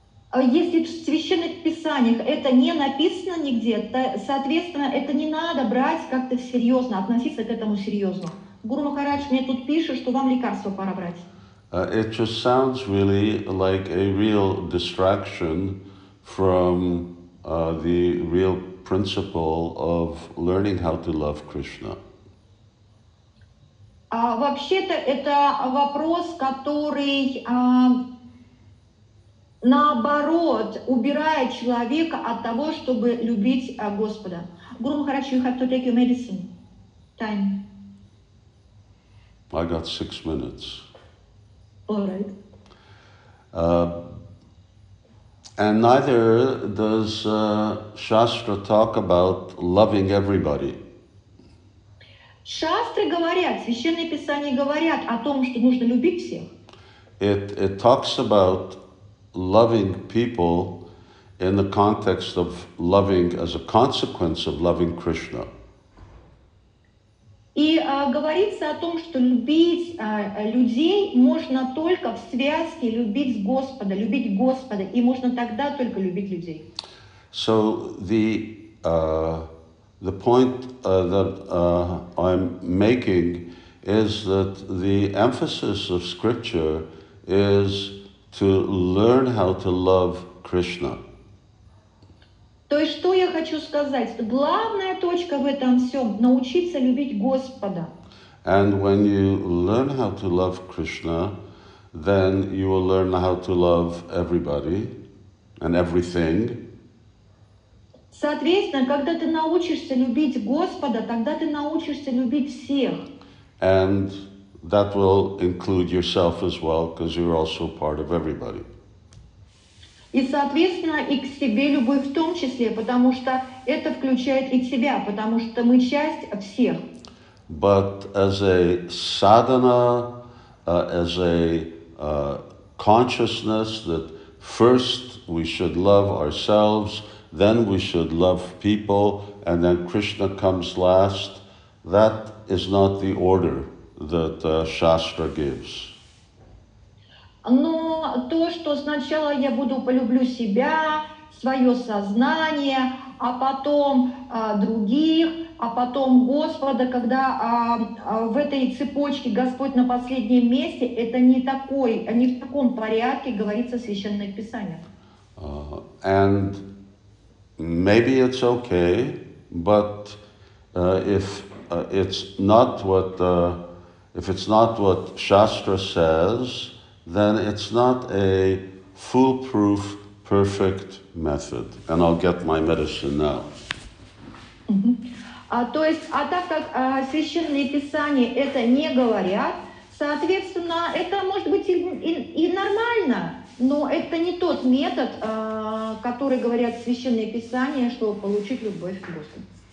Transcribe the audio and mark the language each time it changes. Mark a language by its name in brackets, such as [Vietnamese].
[Russian] Если в священных писаниях это не написано нигде, то, соответственно, это не надо брать как-то серьезно, относиться к этому серьезно. Гуру Махарадж мне тут пишет, что вам лекарства пора брать. [English] It just sounds really like a real distraction from the real principle of learning how to love Krishna. [Russian] Вообще-то это вопрос, который наоборот убирает человека от того, чтобы любить Господа. [English] Гуру Махарадж, you have to take your medicine. Time. I got 6 minutes. All right. And neither does Shastra talk about loving everybody. [Russian] Shastra говорят, священные писания говорят о том, что нужно любить всех. [English] It talks about loving people in the context of loving, as a consequence of loving Krishna. [Russian] И говорится о том, что любить людей можно только в связке любить Господа, и можно тогда только любить людей. [English] So the point that I'm making is that the emphasis of scripture is to learn how to love Krishna. [Russian] То есть, что я хочу сказать? Главная точка в этом всем – научиться любить Господа. [English] And when you learn how to love Krishna, then you will learn how to love everybody and everything. [Russian] Соответственно, когда ты научишься любить Господа, тогда ты научишься любить всех. [English] And that will include yourself as well, because you're also part of everybody. [Russian] И, соответственно, и к себе любовь в том числе, потому что это включает и тебя, потому что мы часть всех. [English] But as a sadhana, as a consciousness, that first we should love ourselves, then we should love people, and then Krishna comes last, that is not the order that Shastra gives. [Russian] Но то, что сначала я буду полюблю себя, свое сознание, а потом других, а потом Господа, когда в этой цепочке Господь на последнем месте, это не такой, не в таком порядке говорится в Священных Писаниях. [English] And maybe it's okay, but if it's not what if it's not what Shastra says, then it's not a foolproof, perfect method. And I'll get my medicine now. [Russian] То есть, а так как священные писания это не говорят, соответственно, это может быть и нормально, но это не тот метод, который говорят священные писания, чтобы получить любовь к Господу.